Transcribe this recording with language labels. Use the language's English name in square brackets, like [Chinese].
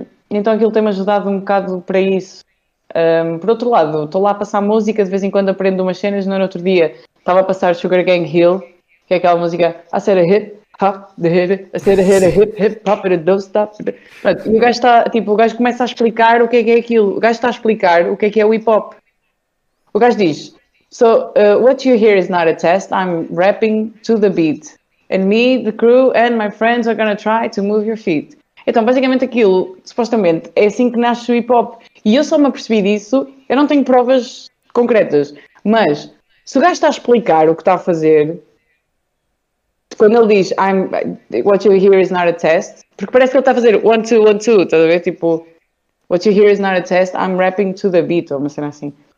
[Portuguese] Então aquilo tem-me ajudado um bocado para isso. Por outro lado, estou lá a passar música, de vez em quando aprendo umas cenas. No outro dia estava a passar Sugar Gang Hill, que é aquela música [English] I said a hip hop, I said a [Portuguese] Sim. [English] hip hop, and don't stop. [Portuguese] Pronto, e o gajo está, tipo, o gajo começa a explicar o que é aquilo. O gajo está a explicar o que é o hip hop. O gajo diz: [English] So, what you hear is not a test, I'm rapping to the beat. And me, the crew, and my friends are gonna try to move your feet. [Portuguese] Então, basicamente aquilo, supostamente, é assim que nasce o hip hop. E eu só me apercebi disso, eu não tenho provas concretas, mas se o gajo está a explicar o que está a fazer, quando ele diz [English] what you hear is not a test, [Portuguese] porque parece que ele está a fazer [English] one, two, one, two, [Portuguese] estás a ver? Tipo, [English] what you hear is not a test, I'm rapping to the beat, [Portuguese] ou uma cena assim.